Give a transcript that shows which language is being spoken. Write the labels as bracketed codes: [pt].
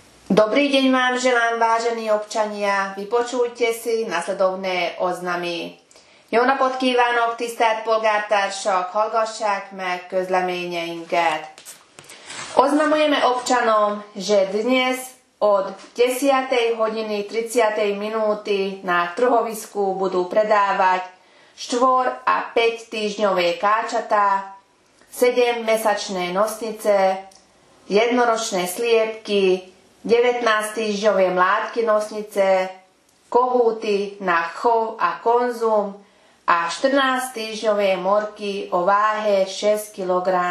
[sk] Dobrý deň vám želám, vážení občania. Vypočujte si nasledovné oznamy. [hu] Jó napot kívánok, tisztelt polgártársak, hallgassák meg közleményeinket. [sk] Oznamujeme občanom, že dnes od 10. hodiny 30. minúty na trhovisku budú predávať 4 a 5 týždňové káčatá, 7 mesačné nosnice, jednoročné sliepky, 19 týždňové mládky nosnice, kohúty na chov a konzum a 14 týždňové morky o váhe 6 kg.